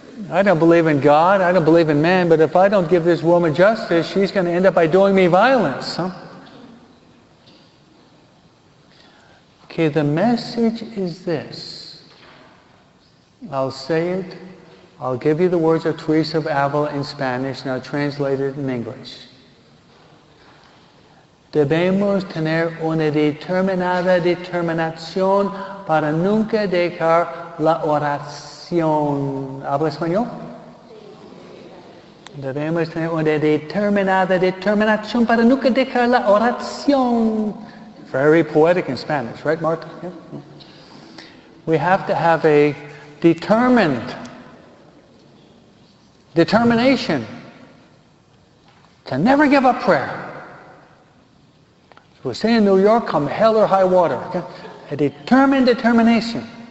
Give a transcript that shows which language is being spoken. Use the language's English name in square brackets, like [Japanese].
[English] I don't believe in God, I don't believe in man, but if I don't give this woman justice, she's going to end up by doing me violence. Huh? Okay, the message is this. I'll say it. I'll give you the words of Teresa of Avila in Spanish, now translate it in English. [Spanish] Debemos tener una determinada determinación para nunca dejar la oración. ¿Habla español? Debemos tener una determinada determinación para nunca dejar la oración. [English] Very poetic in Spanish, right, Marta? Yeah. We have to have a determined determination to never give up prayer. So we're saying in New York, come hell or high water. Okay? A determined determination.